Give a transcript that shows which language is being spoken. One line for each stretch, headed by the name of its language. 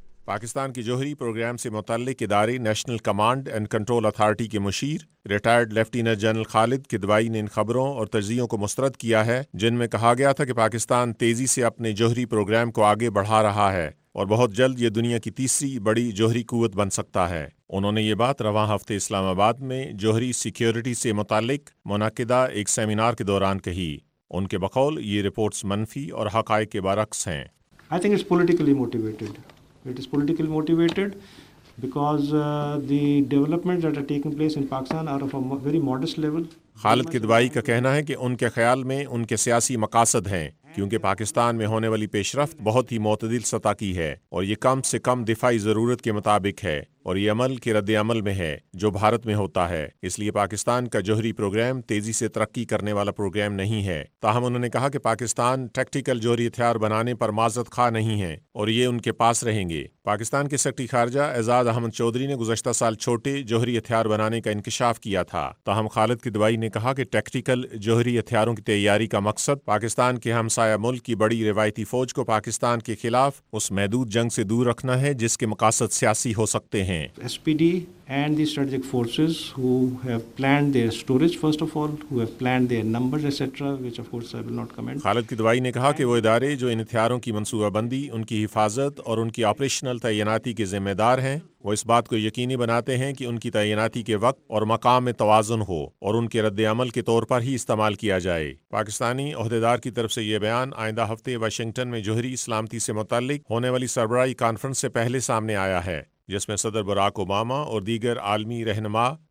Urdu: پاکستان کے جوہری پروگرام سے متعلق ادارے national command and control authority کے مشیر ریٹائرڈ لیفٹیننٹ جنرل خالد کدوائی نے ان خبروں اور تجزیوں کو مسترد کیا ہے جن میں کہا گیا تھا کہ پاکستان تیزی سے اپنے جوہری پروگرام کو آگے بڑھا رہا ہے اور بہت جلد یہ دنیا کی تیسری بڑی جوہری قوت بن سکتا ہے۔ انہوں نے یہ بات رواں ہفتے اسلام آباد میں جوہری سیکیورٹی سے متعلق منعقدہ ایک سیمینار کے دوران کہی۔ ان کے بقول یہ رپورٹس منفی اور حقائق کے برعکس ہیں۔
English: It is politically motivated because the developments that are taking place in Pakistan are of a very modest level.
Urdu: خالد کدوائی کا کہنا ہے کہ ان کے خیال میں ان کے سیاسی مقاصد ہیں، کیونکہ پاکستان میں ہونے والی پیش رفت بہت ہی معتدل سطح کی ہے اور یہ کم سے کم دفاعی ضرورت کے مطابق ہے، اور یہ عمل کے رد عمل میں ہے جو بھارت میں ہوتا ہے۔ اس لیے پاکستان کا جوہری پروگرام تیزی سے ترقی کرنے والا پروگرام نہیں ہے۔ تاہم انہوں نے کہا کہ پاکستان ٹیکٹیکل جوہری ہتھیار بنانے پر معذرت خواہ نہیں ہے اور یہ ان کے پاس رہیں گے۔ پاکستان کے سیکرٹری خارجہ اعزاز احمد چودھری نے گزشتہ سال چھوٹے جوہری ہتھیار بنانے کا انکشاف کیا تھا۔ تاہم خالد کدوائی نے کہا کہ ٹیکٹیکل جوہری ہتھیاروں کی تیاری کا مقصد پاکستان کے ہمسایہ ملک کی بڑی روایتی فوج کو پاکستان کے خلاف اس محدود جنگ سے دور رکھنا ہے جس کے مقاصد سیاسی ہو سکتے ہیں۔
English: SPD and the strategic forces who have planned their storage, first of all, who have planned their numbers, etc., which of course I will not comment.
Urdu: خالد کدوائی نے کہا کہ وہ ادارے جو ان ہتھیاروں کی منصوبہ بندی، ان کی حفاظت اور ان کی آپریشنل تعیناتی کے ذمہ دار ہیں، وہ اس بات کو یقینی بناتے ہیں کہ ان کی تعیناتی کے وقت اور مقام میں توازن ہو اور ان کے رد عمل کے طور پر ہی استعمال کیا جائے۔ پاکستانی عہدیدار کی طرف سے یہ بیان آئندہ ہفتے واشنگٹن میں جوہری سلامتی سے متعلق ہونے والی سربراہی کانفرنس سے پہلے سامنے آیا ہے، جس میں صدر براک اوباما اور دیگر عالمی رہنما